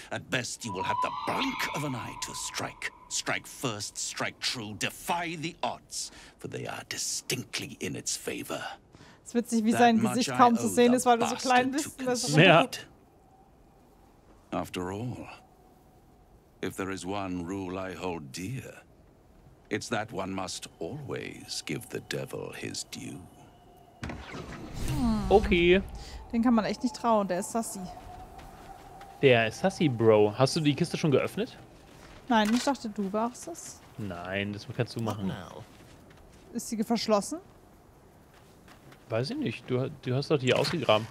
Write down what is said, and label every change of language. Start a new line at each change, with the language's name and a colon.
English: At best, you will have the blink of an eye to strike. Strike first, strike true, defy the odds, for they are distinctly in its favor.
German: Es ist witzig, wie sein Gesicht kaum zu sehen ist, weil du so klein bist. Ja.
English: After all, if there is one rule I hold dear, it's that one must always give the devil his due. Okay.
German: Den kann man echt nicht trauen, der ist sassy. Der ist sassy, Bro. Hast du die Kiste schon geöffnet? Nein, ich dachte, du warst es. Nein, das kannst du machen. Ist sie verschlossen? Weiß ich nicht. Du hast doch die ausgegraben.